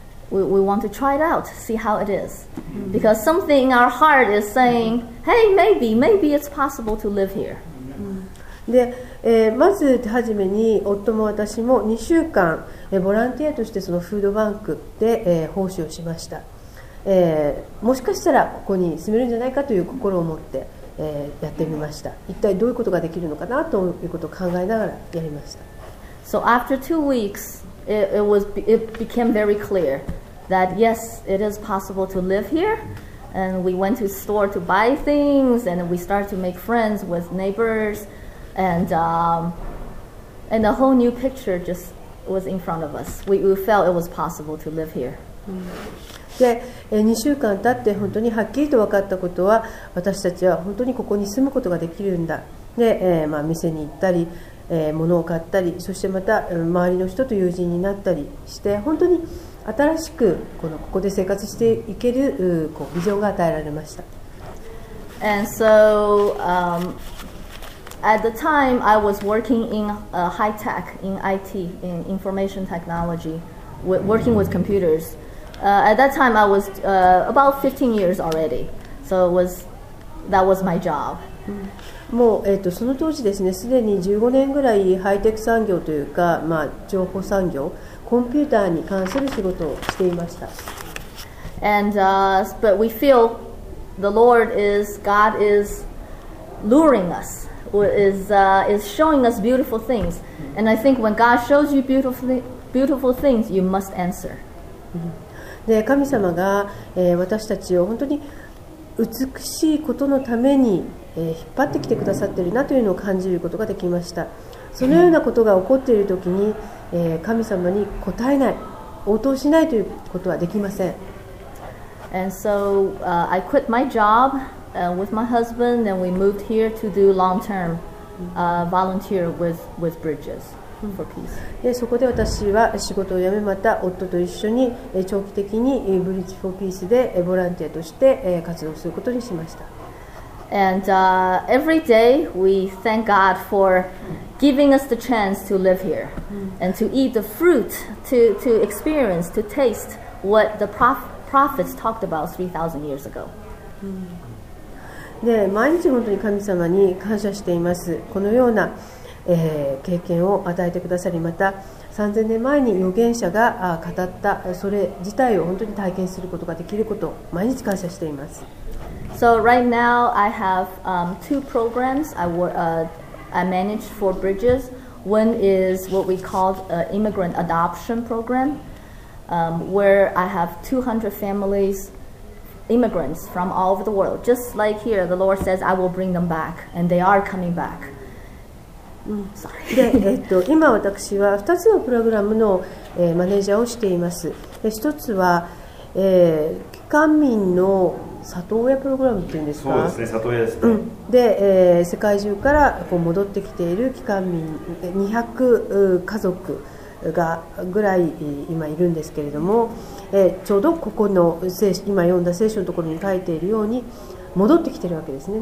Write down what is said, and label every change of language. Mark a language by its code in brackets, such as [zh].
[en] We want to try it out, see how it is. Because something in our heart is saying, hey, maybe it's possible to live here. [ja] でまず初めに夫も私も2週間ボランティアとしてそのフードバンクで奉仕をしました。もしかしたらここに住めるんじゃないかという心を持ってやってみました。一体どういうことができるのかなということを考えながらやりました。 [en] So after 2 weeks it became very clear that yes, it is possible to live here. And we went to store to buy things and we started to make friends with neighborsAnd a whole new picture just was in front of us. We felt it was possible to live here. [ja] で、2週間経って本当にはっきりと分かったことは、私たちは本当にここに住むことができるんだ。で、まあ店に行ったり、物を買ったり、そしてまた周りの人と友人になったりして、本当に新しくここで生活していけるビジョンが与えられました。 [en] And so, At the time, I was working in high tech, in IT, in information technology, working with computers. At that time, I was about 15 years already. So that was my job. [ja] もう、その当時ですね、すでに15年ぐらいハイテク産業というか、まあ、情報産業、コンピューターに関する仕事をしていました。 [en] And, but we feel the Lord is, God is luring us. Is showing us beautiful things, and I think when God shows you beautiful things, you must answer. [ja] で、神様が、私たちを本当に美しいことのために、引っ張ってきてくださっているなというのを感じることができました。そのようなことが起こっているときに、神様に答えない、応答しないということはできません。 [en] And so, I quit my job. With my husband, and we moved here to do long-term volunteer with Bridges for Peace. [ja] で、そこで私は仕事を辞め、また夫と一緒に長期的にBridge for Peaceでボランティアとして活動することにしました。 [en] And every day we thank God for giving us the chance to live here and to eat the fruit, to experience, to taste what the prophets talked about 3,000 years ago. [ja] で、毎日本当に神様に感謝しています。このような、経験を与えてくださり、また3000年前に預言者が語ったそれ自体を本当に体験することができることを毎日感謝しています。 [en] So right now I have two programs. I manage for Bridges. One is what we call an immigrant adoption program, where I have 200 families, immigrants from all over the world. Just like here, the Lord says, I will bring them back, and they are coming back. [ja] で、今私は2つのプログラムの、マネージャーをしています。で、1つは、帰還民の里親プログラムというんですか。そうですね、里親ですね、うん、で、世界中からこう戻ってきている帰還民200家族がぐらい今いるんですけれども、ちょうどここの聖書、今読んだ聖書のところに書いているように戻ってきているわけですね。